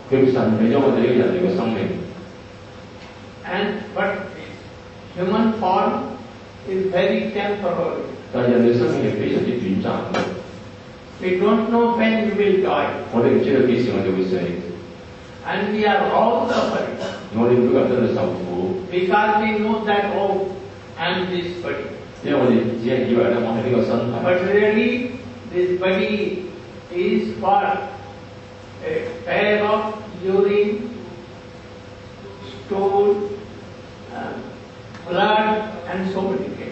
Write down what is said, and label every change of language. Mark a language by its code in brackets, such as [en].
[yue] 佢神俾咗我哋呢個人類嘅生命。 [en] And but this human form is very temporary. [yue] 但人類生命係非常之短暫。 [en] We don't know when we will die. [yue] 我哋唔知道幾時我哋會死。 [en] And we are all suffering. [yue] 我哋每個人都受苦。 [en] Because we know that, oh, I'm this body. [yue] 因為我哋只係以為咧，我係呢個身體。 [en] But really, this body is for a pair of urine, stool, blood, and so many things.